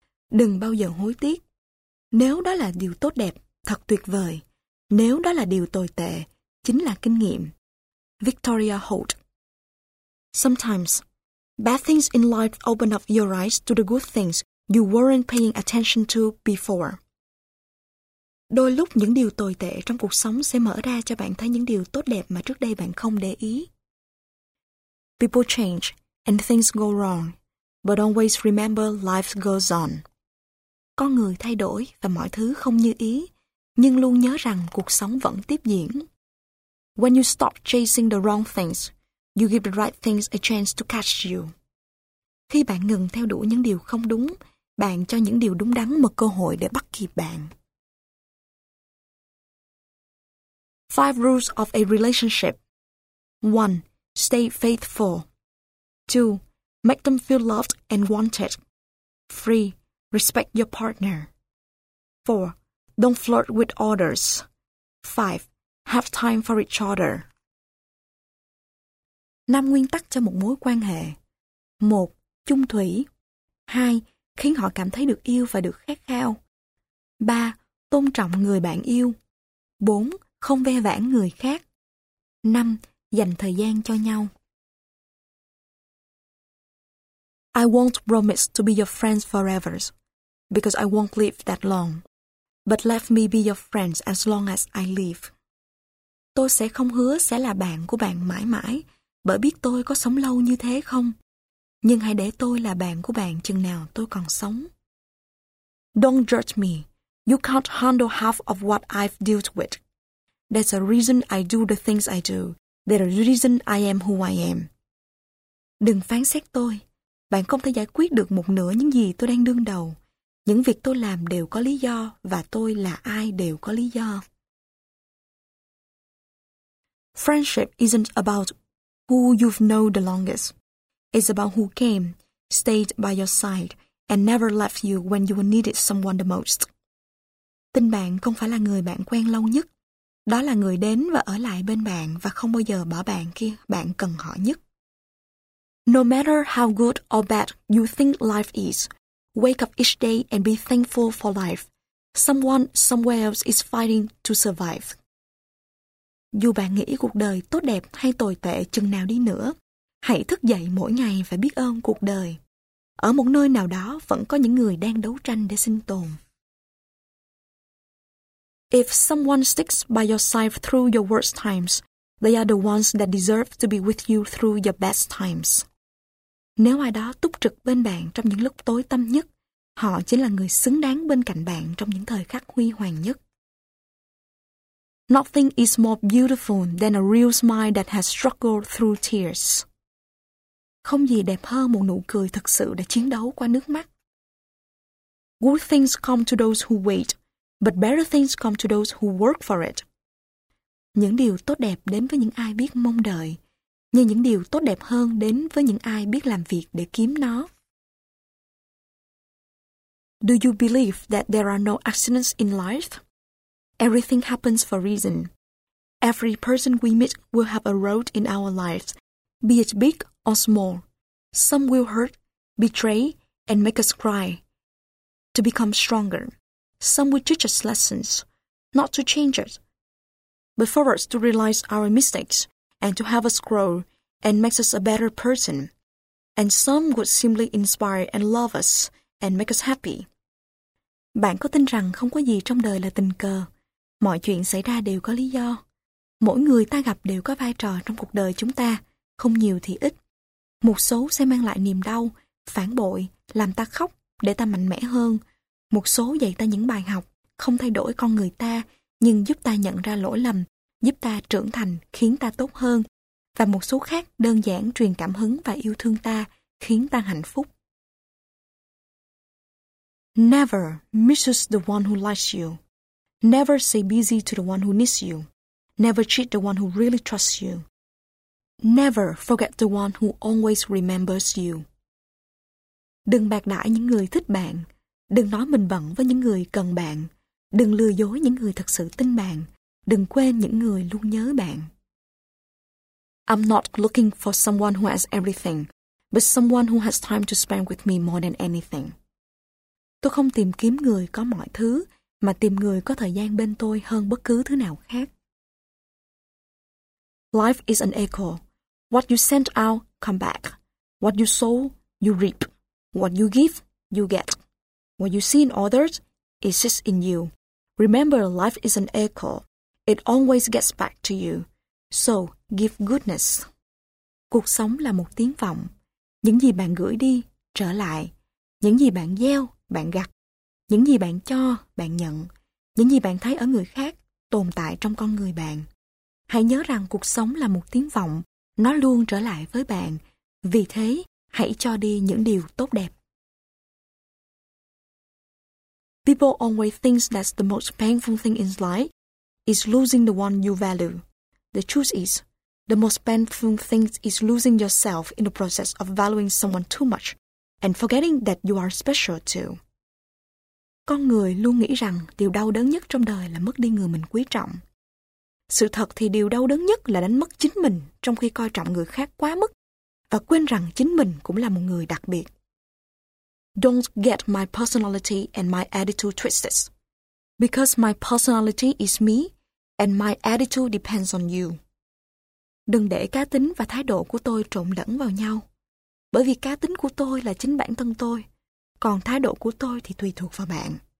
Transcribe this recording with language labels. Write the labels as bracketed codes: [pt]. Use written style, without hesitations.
[vi] Đừng bao giờ hối tiếc. Nếu đó là điều tốt đẹp, thật tuyệt vời. Nếu đó là điều tồi tệ, chính là kinh nghiệm. Victoria Holt. [en] Sometimes, bad things in life open up your eyes to the good things you weren't paying attention to before. [vi] Đôi lúc những điều tồi tệ trong cuộc sống sẽ mở ra cho bạn thấy những điều tốt đẹp mà trước đây bạn không để ý. [en] People change and things go wrong, but always remember life goes on. [vi] Con người thay đổi và mọi thứ không như ý, nhưng luôn nhớ rằng cuộc sống vẫn tiếp diễn. [en] When you stop chasing the wrong things, you give the right things a chance to catch you. [vi] Khi bạn ngừng theo đuổi những điều không đúng, bạn cho những điều đúng đắn một cơ hội để bắt kịp bạn. [en] Five rules of a relationship. 1. Stay faithful. 2. Make them feel loved and wanted. 3. Respect your partner. 4. Don't flirt with others. 5. Have time for each other. [vi] 5 nguyên tắc cho một mối quan hệ. 1. Chung thủy. 2. Khiến họ cảm thấy được yêu và được khát khao. 3. Tôn trọng người bạn yêu. 4. Không ve vãn người khác. 5. Dành thời gian cho nhau. [en] I won't promise to be your friends forever, because I won't live that long. But let me be your friends as long as I live. [vi] Tôi sẽ không hứa sẽ là bạn của bạn mãi mãi, bởi biết tôi có sống lâu như thế không. Nhưng hãy để tôi là bạn của bạn chừng nào tôi còn sống. [en] Don't judge me. You can't handle half of what I've dealt with. There's a reason I do the things I do. There's a reason I am who I am. [vi] Đừng phán xét tôi. Bạn không thể giải quyết được một nửa những gì tôi đang đương đầu. Những việc tôi làm đều có lý do và tôi là ai đều có lý do. [en] Friendship isn't about who you've known the longest. It's about who came, stayed by your side, and never left you when you needed someone the most. [vi] Tình bạn không phải là người bạn quen lâu nhất. Đó là người đến và ở lại bên bạn và không bao giờ bỏ bạn khi bạn cần họ nhất. [en] No matter how good or bad you think life is, wake up each day and be thankful for life. Someone somewhere else is fighting to survive. [vi] Dù bạn nghĩ cuộc đời tốt đẹp hay tồi tệ chừng nào đi nữa, hãy thức dậy mỗi ngày và biết ơn cuộc đời. Ở một nơi nào đó vẫn có những người đang đấu tranh để sinh tồn. [en] If someone sticks by your side through your worst times, they are the ones that deserve to be with you through your best times. [vi] Nếu ai đó túc trực bên bạn trong những lúc tối tăm nhất, họ chính là người xứng đáng bên cạnh bạn trong những thời khắc huy hoàng nhất. [en] Nothing is more beautiful than a real smile that has struggled through tears. [vi] Không gì đẹp hơn một nụ cười thực sự đã chiến đấu qua nước mắt. [en] Good things come to those who wait, but better things come to those who work for it. [vi] Những điều tốt đẹp đến với những ai biết mong đợi, như những điều tốt đẹp hơn đến với những ai biết làm việc để kiếm nó. [en] Do you believe that there are no accidents in life? Everything happens for a reason. Every person we meet will have a road in our lives, be it big or small. Some will hurt, betray, and make us cry to become stronger. Some will teach us lessons, not to change us, but for us to realize our mistakes and to have us grow and makes us a better person. And some would simply inspire and love us and make us happy. [vi] Bạn có tin rằng không có gì trong đời là tình cờ? Mọi chuyện xảy ra đều có lý do. Mỗi người ta gặp đều có vai trò trong cuộc đời chúng ta, không nhiều thì ít. Một số sẽ mang lại niềm đau, phản bội, làm ta khóc để ta mạnh mẽ hơn. Một số dạy ta những bài học, không thay đổi con người ta, nhưng giúp ta nhận ra lỗi lầm, giúp ta trưởng thành, khiến ta tốt hơn. Và một số khác đơn giản truyền cảm hứng và yêu thương ta, khiến ta hạnh phúc. [en] Never misses the one who likes you. Never stay busy to the one who needs you. Never cheat the one who really trusts you. Never forget the one who always remembers you. [vi] Đừng bạc đãi những người thích bạn. Đừng nói mình bận với những người cần bạn. Đừng lừa dối những người thật sự tin bạn. Đừng quên những người luôn nhớ bạn. [en] I'm not looking for someone who has everything, but someone who has time to spend with me more than anything. [vi] Tôi không tìm kiếm người có mọi thứ, mà tìm người có thời gian bên tôi hơn bất cứ thứ nào khác. [en] Life is an echo. What you send out, come back. What you sow, you reap. What you give, you get. What you see in others, it sits in you. Remember, life is an echo. It always gets back to you. So, give goodness. [vi] Cuộc sống là một tiếng vọng. Những gì bạn gửi đi, trở lại. Những gì bạn gieo, bạn gặt. Những gì bạn cho, bạn nhận. Những gì bạn thấy ở người khác, tồn tại trong con người bạn. Hãy nhớ rằng cuộc sống là một tiếng vọng. Nó luôn trở lại với bạn. Vì thế, hãy cho đi những điều tốt đẹp. [en] People always think that's the most painful thing in life is losing the one you value. The truth is, the most painful thing is losing yourself in the process of valuing someone too much and forgetting that you are special too. [vi] Con người luôn nghĩ rằng điều đau đớn nhất trong đời là mất đi người mình quý trọng. Sự thật thì điều đau đớn nhất là đánh mất chính mình trong khi coi trọng người khác quá mức và quên rằng chính mình cũng là một người đặc biệt. [en] Don't get my personality and my attitude twisted. Because my personality is me and my attitude depends on you. [vi] Đừng để cá tính và thái độ của tôi trộn lẫn vào nhau. Bởi vì cá tính của tôi là chính bản thân tôi. Còn thái độ của tôi thì tùy thuộc vào bạn.